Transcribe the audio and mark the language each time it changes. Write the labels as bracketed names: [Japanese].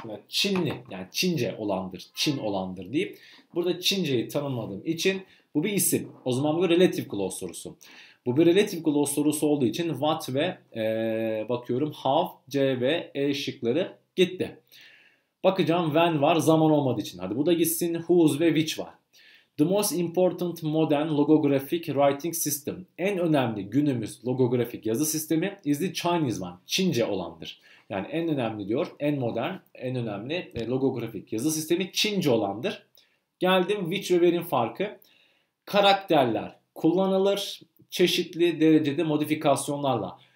[Turkish] Buna Çinli, yani Çince olandır, Çin olandır deyip. Burada Çince'yi tanımadığım için bu bir isim. O zaman bu relative clause sorusu. Bu bir relative clause sorusu olduğu için what ve bakıyorum how, C ve E şıkları gitti. Bakacağım when var, zaman olmadığı için. Hadi bu da gitsin. Whose ve which var. [English] The most important modern logographic writing system. [Turkish] En önemli günümüz logografik yazı sistemi [English] is the Chinese one. [Turkish] Çince olandır. Yani en önemli diyor. En modern, en önemli logografik yazı sistemi Çince olandır. Geldim which ve where'in farkı. Karakterler kullanılır çeşitli derecede modifikasyonlarla.